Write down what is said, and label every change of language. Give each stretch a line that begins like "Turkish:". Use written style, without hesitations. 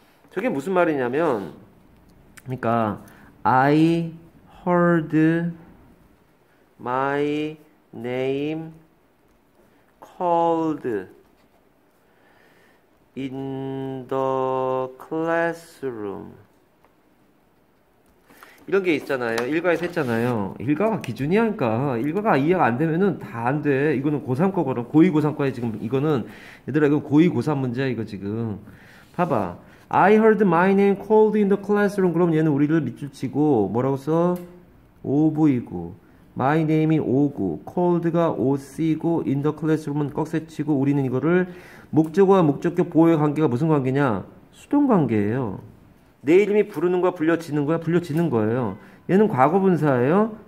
Korean: 저게 무슨 말이냐면, 그러니까,
English: I heard My name called in the classroom.
Korean: 이런 게 있잖아요. 일과에서 했잖아요. 일과가 기준이니까. 일과가 이해가 안 되면은 다안 돼. 이거는 고3 거거든. 고2, 고3과에 지금, 이거는, 얘들아, 이거 고2, 고3 문제야, 이거 지금. 봐봐.
English: I heard my name called in the classroom.
Korean: 그러면 얘는 우리를 밑줄 치고, 뭐라고 써? 오브이고. My name이 O고, called가 OC고, in the classroom은 꺽쇠치고, 우리는 이거를 목적어와 목적격 보호의 관계가 무슨 관계냐? 수동 관계예요. 내 이름이 부르는 거야, 불려지는 거야? 불려지는 거예요. 얘는 과거분사예요.